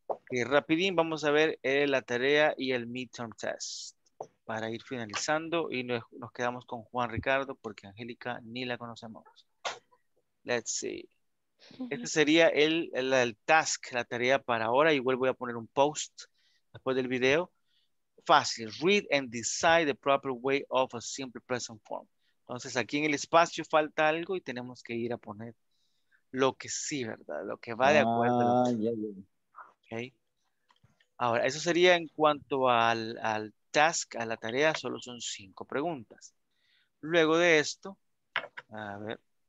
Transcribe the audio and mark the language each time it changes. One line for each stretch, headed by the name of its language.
Spanish: Y rapidín vamos a ver la tarea y el midterm test para ir finalizando y nos quedamos con Juan Ricardo porque Angélica ni la conocemos.
English: Let's see.
Spanish: Este sería el task, la tarea para ahora. Igual voy a poner un post después del video. Fácil.
English: Read and decide the proper way of a simple present form.
Spanish: Entonces, aquí en el espacio falta algo y tenemos que ir a poner lo que sí, ¿verdad? Lo que va de acuerdo. Okay. Ahora, eso sería en cuanto al task, a la tarea. Solo son 5 preguntas. Luego de esto, a ver.